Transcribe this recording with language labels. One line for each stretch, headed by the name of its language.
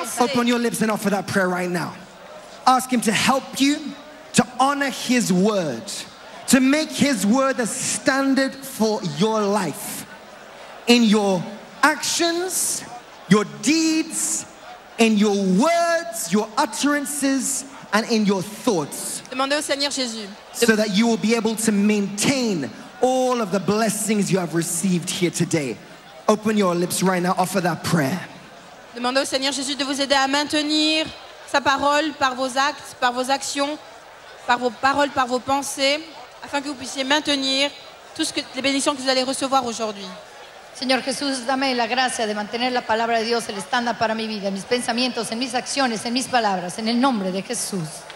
English: Open your lips and offer that prayer right now. Ask him to help you to honor his word, to make his word a standard for your life in your actions, your deeds, in your words, your utterances, and in your thoughts.
French: Demandez au Seigneur Jésus.
English: So that you will be able to maintain all of the blessings you have received here today. Open your lips right now, offer that prayer.
French: Demandez au Seigneur Jésus de vous aider à maintenir sa parole par vos actes, par vos actions, par vos paroles, par vos pensées, afin que vous puissiez maintenir toutes les bénédictions que vous allez recevoir aujourd'hui.
Spanish: Señor Jesús, dame la gracia de mantener la palabra de Dios el estándar para mi vida, en mis pensamientos, en mis acciones, en mis palabras, en el nombre de Jesús.